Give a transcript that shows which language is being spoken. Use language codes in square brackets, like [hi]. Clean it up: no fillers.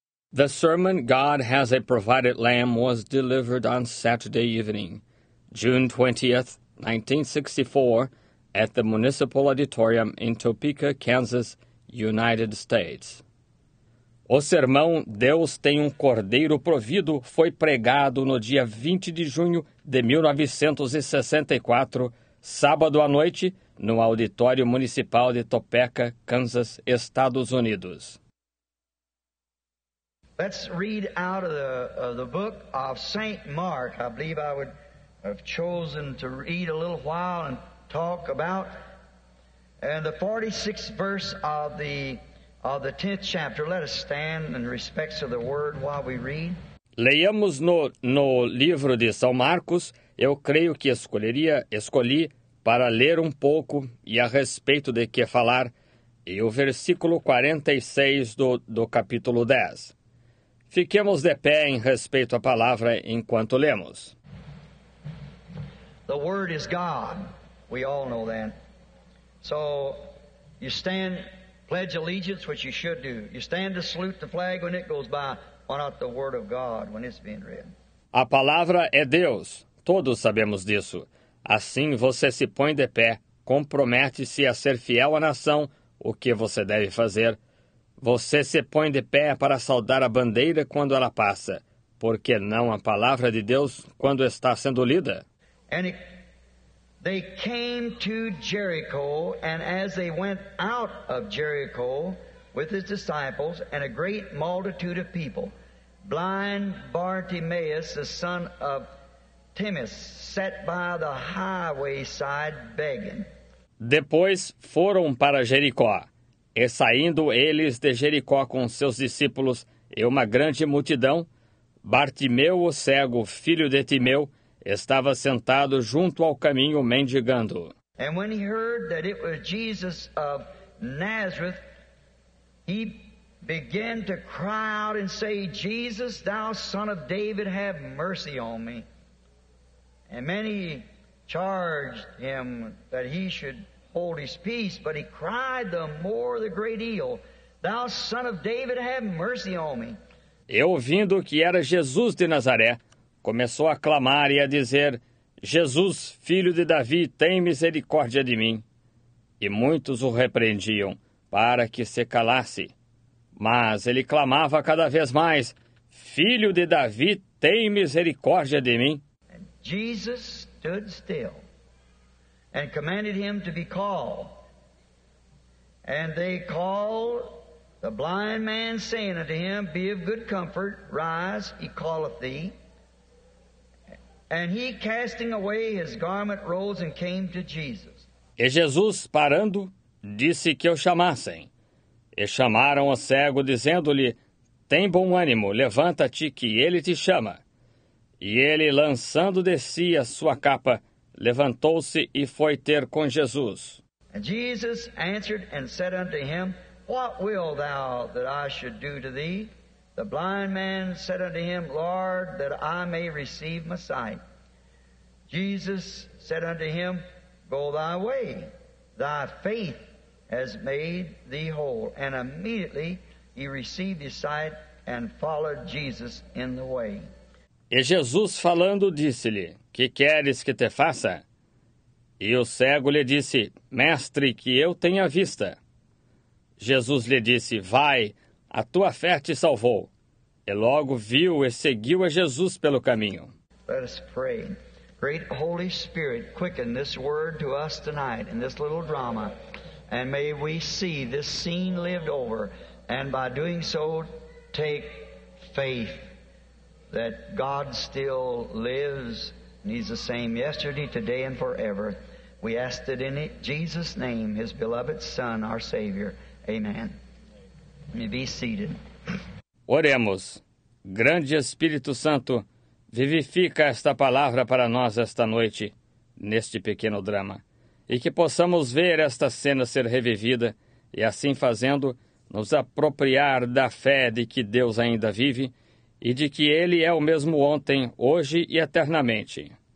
[en] The sermon, God Has a Provided Lamb, was delivered on Saturday evening, June 20th, 1964, at the Municipal Auditorium in Topeka, Kansas, United States. [pt] O sermão Deus Tem Cordeiro Provido foi pregado no dia 20 de junho de 1964, sábado à noite, no Auditório Municipal de Topeka, Kansas, Estados Unidos. [en] Let's read out of the book of St. Mark. I believe I would have chosen to read a little while and talk about. And the 46th verse of the 10th chapter. Let us stand in respect of the word while we read. [pt] Leiamos no livro de São Marcos. Eu creio que escolhi para ler um pouco e a respeito de que falar. E o versículo 46 do capítulo 10. Fiquemos de pé em respeito à palavra enquanto lemos. [en] The word is God. We all know that. So you stand, pledge allegiance, which you should do. You stand to salute the flag when it goes by. Why not the word of God when it's being read? [pt] A palavra é Deus. Todos sabemos disso. Assim você se põe de pé, compromete-se a ser fiel à nação, o que você deve fazer. Você se põe de pé para saudar a bandeira quando ela passa. Por que não a palavra de Deus quando está sendo lida? [en] And they came to Jericho, and as they went out of Jericho with his disciples and a great multitude of people, blind Bartimaeus, the son of Timaeus, sat by the highway side begging. [pt] Depois foram para Jericó. E saindo eles de Jericó com seus discípulos e uma grande multidão, Bartimeu o cego, filho de Timeu, estava sentado junto ao caminho mendigando. [en] And when he heard that it was Jesus of Nazareth, he began to cry out and say, Jesus, thou son of David, have mercy on me. And many charged him that he should hold his peace, but he cried the more the great deal, thou son of David, have mercy on me. [pt] E ouvindo que era Jesus de Nazaré, começou a clamar e a dizer, Jesus, filho de Davi, tem misericórdia de mim. E muitos o repreendiam, para que se calasse. Mas ele clamava cada vez mais, filho de Davi, tem misericórdia de mim. [en] Jesus stood still and commanded him to be called. And they called the blind man, saying unto him, Be of good comfort, rise, he calleth thee. And he, casting away his garment, rose and came to Jesus. [pt] E Jesus, parando, disse que o chamassem. E chamaram o cego, dizendo-lhe, Tem bom ânimo, levanta-te, que ele te chama. E ele, lançando de si a sua capa, levantou-se e foi ter com Jesus. [en] And Jesus answered and said unto him, What will thou that I should do to thee? The blind man said unto him, Lord, that I may receive my sight. Jesus said unto him, Go thy way, thy faith has made thee whole. And immediately he received his sight and followed Jesus in the way. [pt] E Jesus falando disse-lhe, Que queres que te faça? E o cego lhe disse, Mestre, que eu tenha vista. Jesus lhe disse, Vai, a tua fé te salvou. E logo viu e seguiu a Jesus pelo caminho. [en] Let us pray. Great Holy Spirit, quicken this word to us tonight in this little drama. And may we see this scene lived over. And by doing so, take faith that God still lives. He's the same yesterday, today, and forever. We ask that in Jesus' name, His beloved Son, our Savior. Amen. May be seated. [pt] Oremos. Grande Espírito Santo, vivifica esta palavra para nós esta noite, neste pequeno drama, e que possamos ver esta cena ser revivida, e assim fazendo, nos apropriar da fé de que Deus ainda vive, e de que Ele é o mesmo ontem, hoje e eternamente.